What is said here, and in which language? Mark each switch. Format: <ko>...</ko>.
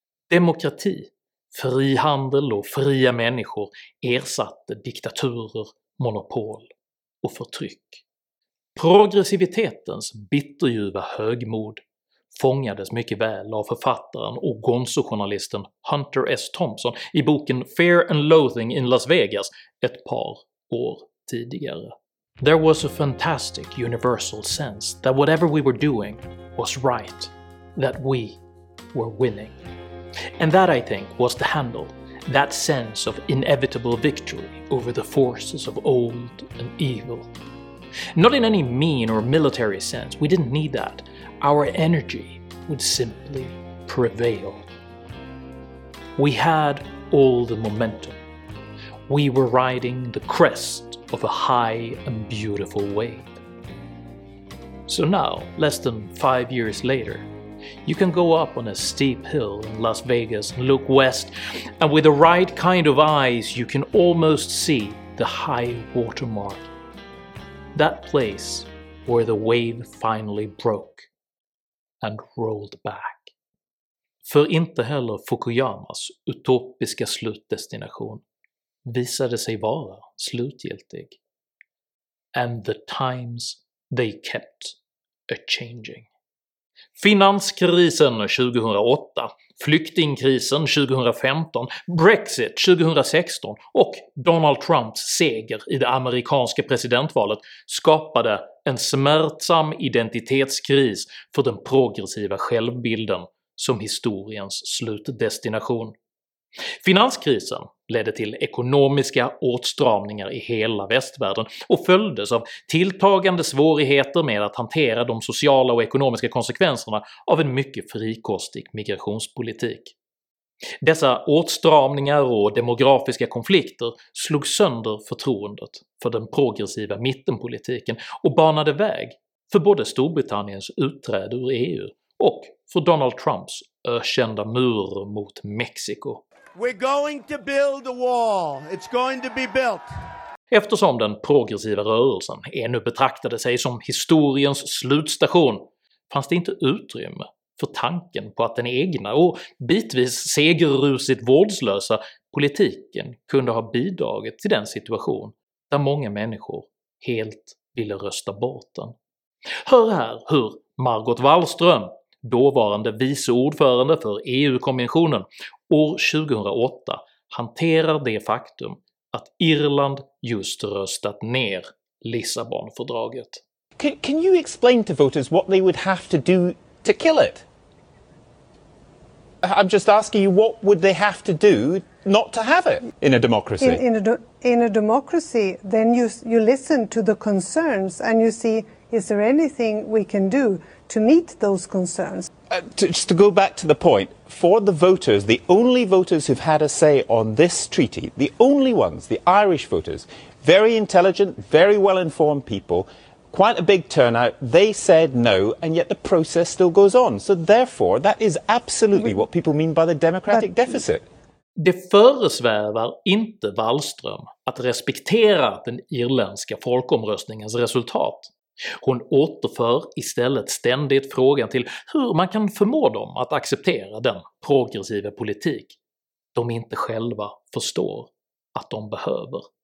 <sv>Demokrati, frihandel och fria människor ersatte diktaturer, monopol och förtryck. Progressivitetens bitterljuva högmod fångades mycket väl av författaren och gonzo-journalisten Hunter S. Thompson i boken Fear and Loathing in Las Vegas ett par år tidigare.</sv> <en>There was a fantastic universal sense that whatever we were doing was right, that we were winning. And that, I think, was the handle, that sense of inevitable victory over the forces of old and evil. Not in any mean or military sense, we didn't need that. Our energy would simply prevail. We had all the momentum. We were riding the crest of a high and beautiful wave. So now, less than 5 years later, you can go up on a steep hill in Las Vegas and look west, and with the right kind of eyes you can almost see the high watermark. That place where the wave finally broke and rolled back.</en> <sv>För inte heller Fukuyamas utopiska slutdestination visade sig vara slutgiltig.</sv> <en>And the times they kept a-changing.</en> <sv>Finanskrisen 2008, flyktingkrisen 2015, Brexit 2016 och Donald Trumps seger i det amerikanska presidentvalet skapade en smärtsam identitetskris för den progressiva självbilden som historiens slutdestination. Finanskrisen ledde till ekonomiska åtstramningar i hela västvärlden och följdes av tilltagande svårigheter med att hantera de sociala och ekonomiska konsekvenserna av en mycket frikostig migrationspolitik. Dessa åtstramningar och demografiska konflikter slog sönder förtroendet för den progressiva mittenpolitiken och banade väg för både Storbritanniens utträde ur EU och för Donald Trumps ökända mur mot Mexiko.</sv> <en>We're going to build a wall. It's going to be built.</en> <sv>Eftersom den progressiva rörelsen ännu betraktade sig som historiens slutstation, fanns det inte utrymme för tanken på att den egna och bitvis segerrusigt vårdslösa politiken kunde ha bidragit till den situation där många människor helt ville rösta bort den. Hör här hur Margot Wallström, dåvarande vice ordförande för EU-kommissionen, år 2008 hanterar det faktum att Irland just röstat ner Lissabonfördraget.</sv> <en>Can you explain to voters what they would have to do to kill it? I'm just asking you, what would they have to do not to have it in a democracy? In a democracy, then you listen to the concerns and you see, is there anything we can do to meet those concerns? Just to go back to the point, for the voters, the only voters who've had a say on this treaty, the only ones, the Irish voters, very intelligent, very well-informed people, quite a big turnout, they said no, and yet the process still goes on. So therefore, that is absolutely what people mean by the democratic deficit.</en> <sv>Det föresvävar inte Wallström att respektera den irländska folkomröstningens resultat. Hon återför istället ständigt frågan till hur man kan förmå dem att acceptera den progressiva politik de inte själva förstår att de behöver.</sv>